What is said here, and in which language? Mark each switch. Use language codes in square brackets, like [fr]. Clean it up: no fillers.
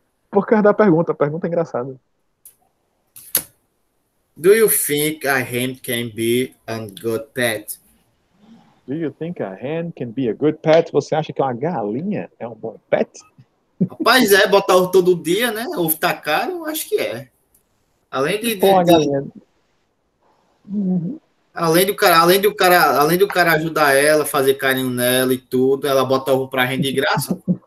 [pt] Por causa da pergunta. A pergunta é engraçada. [en] Do you think a hen can be a good pet? Do you think a hen can be a good pet? [pt] Você acha que uma galinha é um bom pet? Rapaz, é. Botar ovo todo dia, né? Ovo tá caro, acho que é. Além de... Além do cara ajudar ela, fazer carinho nela e tudo, ela bota ovo pra hen de graça...